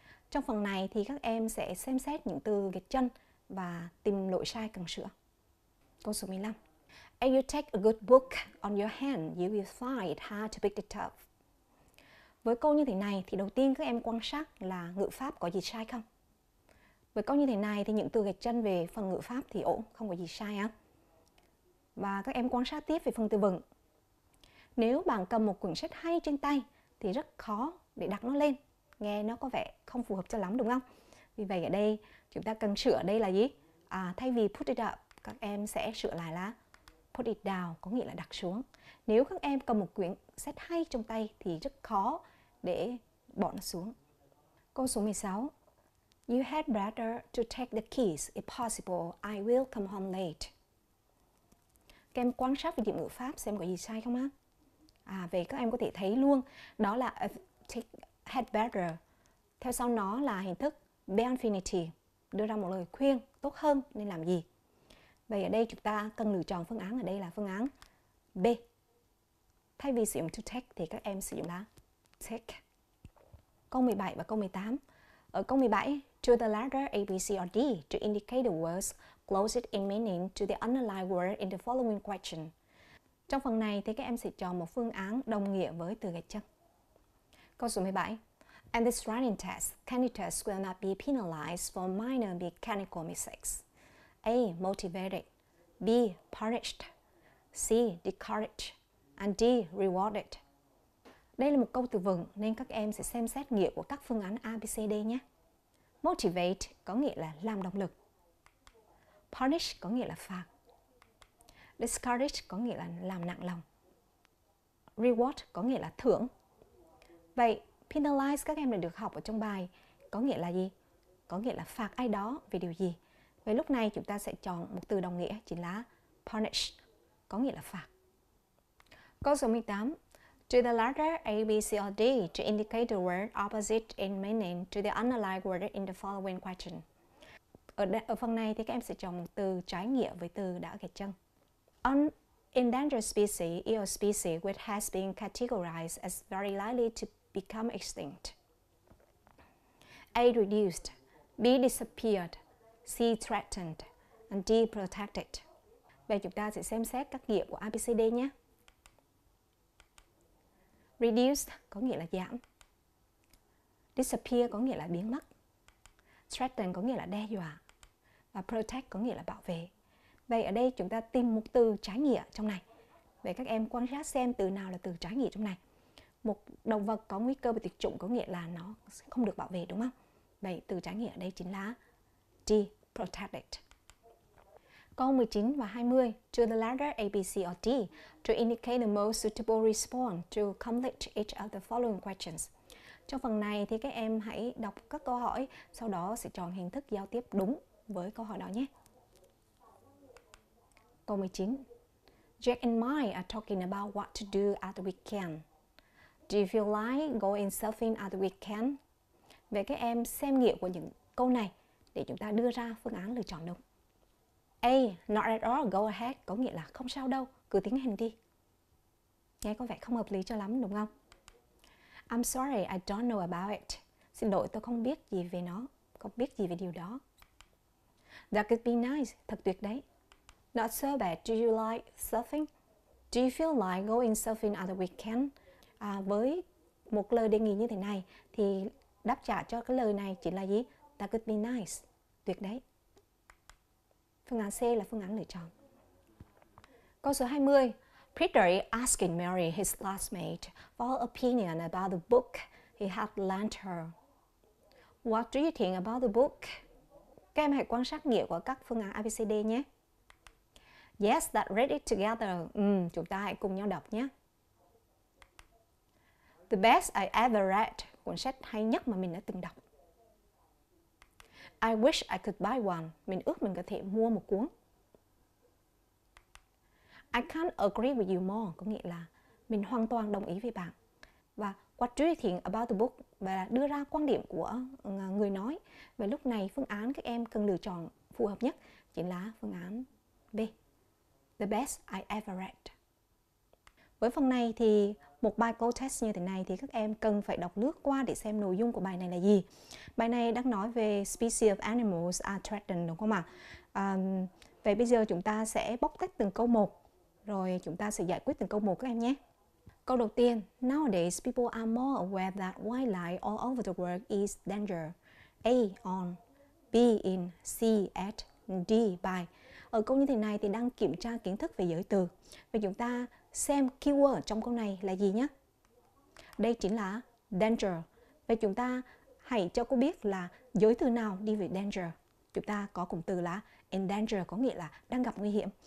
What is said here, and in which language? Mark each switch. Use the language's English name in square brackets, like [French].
[Vietnamese] Trong phần này thì các em sẽ xem xét những từ gạch chân và tìm lỗi sai cần sửa. Câu số 15. [English] If you take a good book on your hand, you will find it hard to pick it up. [Vietnamese] Với câu như thế này thì đầu tiên các em quan sát là ngữ pháp có gì sai không? Với câu như thế này thì những từ gạch chân về phần ngữ pháp thì ổn, không có gì sai á. Và các em quan sát tiếp về phần từ vựng. Nếu bạn cầm một quyển sách hay trên tay thì rất khó để đặt nó lên, nghe nó có vẻ không phù hợp cho lắm đúng không? Vì vậy ở đây chúng ta cần sửa đây là gì? Thay vì [English] put it up, [Vietnamese] các em sẽ sửa lại là [English] put it down, [Vietnamese] có nghĩa là đặt xuống. Nếu các em cầm một quyển sách hay trong tay thì rất khó để bỏ nó xuống. Câu số 16. [English] You had better to take the keys if possible. I will come home late. [Vietnamese] Các em quan sát về điểm ngữ pháp xem có gì sai không á? Vậy các em có thể thấy luôn đó là take, had better. Theo sau nó là hình thức be infinitive, đưa ra một lời khuyên tốt hơn nên làm gì. Vậy ở đây chúng ta cần lựa chọn phương án ở đây là phương án B. Thay vì sử dụng to take thì các em sử dụng là take. Câu 17 và câu 18. Ở câu 17, [English] choose the letter A, B, C or D to indicate the words closest in meaning to the underlying word in the following question. [Vietnamese] Trong phần này thì các em sẽ chọn một phương án đồng nghĩa với từ gạch chân. Câu số 17. [English] And this writing test, candidates will not be penalized for minor mechanical mistakes. A. Motivated. B. Punished. C. Discouraged. And D. Rewarded. [Vietnamese] Đây là một câu từ vựng nên các em sẽ xem xét nghĩa của các phương án A, B, C, D nhé. Motivate có nghĩa là làm động lực. Punish có nghĩa là phạt. Discouraged có nghĩa là làm nặng lòng. Reward có nghĩa là thưởng. Vậy, penalize các em đã được học ở trong bài có nghĩa là gì? Có nghĩa là phạt ai đó vì điều gì? Vậy lúc này chúng ta sẽ chọn một từ đồng nghĩa chính là punish, có nghĩa là phạt. Câu số 18. [English] To the letter A, B, C, or D to indicate the word opposite in meaning to the unaligned word in the following question. [Vietnamese] Ở phần này thì các em sẽ chọn một từ trái nghĩa với từ đã gạch chân. [English] An endangered species is a species which has been categorized as very likely to become extinct. A. Reduced. B. Disappeared. C. Threatened. And D. Protected. [Vietnamese] Vậy chúng ta sẽ xem xét các nghĩa của ABCD nhé. Reduced có nghĩa là giảm. Disappear có nghĩa là biến mất. Threaten có nghĩa là đe dọa. Và protect có nghĩa là bảo vệ. Vậy ở đây chúng ta tìm một từ trái nghĩa trong này. Vậy các em quan sát xem từ nào là từ trái nghĩa trong này. Một động vật có nguy cơ bị tuyệt chủng có nghĩa là nó không được bảo vệ, đúng không? Vậy từ trái nghĩa ở đây chính là D, protected. Câu 19 và 20, [English] to the letter A, B, C, or D, to indicate the most suitable response to complete each of the following questions. [Vietnamese] Trong phần này thì các em hãy đọc các câu hỏi, sau đó sẽ chọn hình thức giao tiếp đúng với câu hỏi đó nhé. Câu 19, [English] Jack and Mike are talking about what to do at the weekend. Do you feel like going surfing at the weekend? [Vietnamese] Vậy các em xem nghĩa của những câu này để chúng ta đưa ra phương án lựa chọn đúng. A. [English] Not at all, go ahead, [Vietnamese] có nghĩa là không sao đâu, cứ tiến hành đi. Nghe có vẻ không hợp lý cho lắm, đúng không? [English] I'm sorry, I don't know about it. [Vietnamese] Xin lỗi, tôi không biết gì về nó, không biết gì về điều đó. [English] That could be nice, [Vietnamese] thật tuyệt đấy. [English] Not so bad, do you like surfing? Do you feel like going surfing at the weekend? [Vietnamese] Với một lời đề nghị như thế này, thì đáp trả cho cái lời này chỉ là gì? [English] That could be nice, [Vietnamese] tuyệt đấy. Phương án C là phương án lựa chọn. Câu số 20. [English] Peter is asking Mary, his classmate, for her opinion about the book he had lent her. What do you think about the book? [Vietnamese] Các em hãy quan sát nghĩa của các phương án ABCD nhé. [English] Yes, let's read it together. [Vietnamese] Chúng ta hãy cùng nhau đọc nhé. [English] The best I ever read. [Vietnamese] Cuốn sách hay nhất mà mình đã từng đọc. [English] I wish I could buy one. [Vietnamese] Mình ước mình có thể mua một cuốn. [English] I can't agree with you more. [Vietnamese] Có nghĩa là mình hoàn toàn đồng ý với bạn. [English] Và what do you think about the book? [Vietnamese] Và đưa ra quan điểm của người nói. Và lúc này phương án các em cần lựa chọn phù hợp nhất chính là phương án B. [English] The best I ever read. [Vietnamese] Với phần này thì một bài câu test như thế này thì các em cần phải đọc lướt qua để xem nội dung của bài này là gì. Bài này đang nói về [English] species of animals are threatened, [Vietnamese] đúng không ạ? Vậy bây giờ chúng ta sẽ bóc tách từng câu một, rồi chúng ta sẽ giải quyết từng câu một các em nhé. Câu đầu tiên, [English] nowadays people are more aware that wildlife all over the world is danger. A. On. B. In. C. At. D. By. [Vietnamese] Ở câu như thế này thì đang kiểm tra kiến thức về giới từ. Vậy chúng ta xem keyword trong câu này là gì nhé. Đây chính là danger. Vậy chúng ta hãy cho cô biết là giới từ nào đi với danger. Chúng ta có cụm từ là in danger, có nghĩa là đang gặp nguy hiểm.